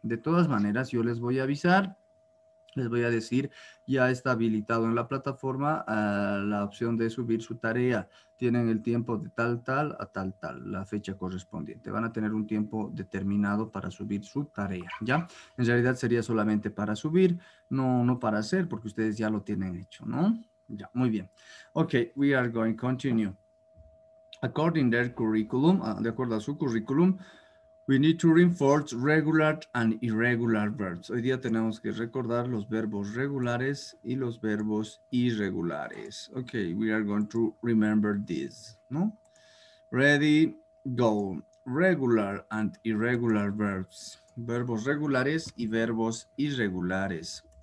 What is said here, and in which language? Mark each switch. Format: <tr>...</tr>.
<es>De todas maneras, yo les voy a avisar. Les voy a decir, ya está habilitado en la plataforma la opción de subir su tarea. Tienen el tiempo de tal, tal, a tal, tal, la fecha correspondiente. Van a tener un tiempo determinado para subir su tarea, ¿ya? En realidad sería solamente para subir, no para hacer, porque ustedes ya lo tienen hecho, ¿no? Ya, muy bien.</es> <en>Ok, we are going to continue. According their curriculum,</en> <es>de acuerdo a su curriculum,</es> <en>we need to reinforce regular and irregular verbs.</en> <es>Hoy día tenemos que recordar los verbos regulares y los verbos irregulares.</es> <en>Okay, we are going to remember this, ¿no? Ready, go. Regular and irregular verbs.</en> <es>Verbos regulares y verbos irregulares.</es>